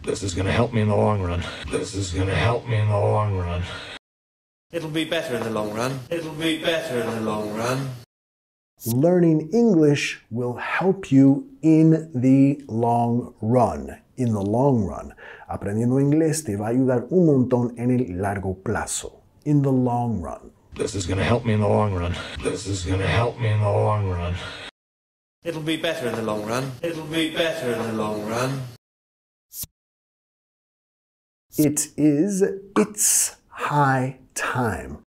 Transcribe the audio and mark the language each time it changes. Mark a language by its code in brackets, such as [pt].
[en] This is going to help me in the long run. This is going to help me in the long run. It'll be better in the long run. It'll be better in the long run. Learning English will help you in the long run. In the long run. [es] Aprendiendo inglés te va a ayudar un montón en el largo plazo. [en] In the long run. This is going to help me in the long run. This is going to help me in the long run. It'll be better in the long run. It'll be better in the long run. It is. It's high time.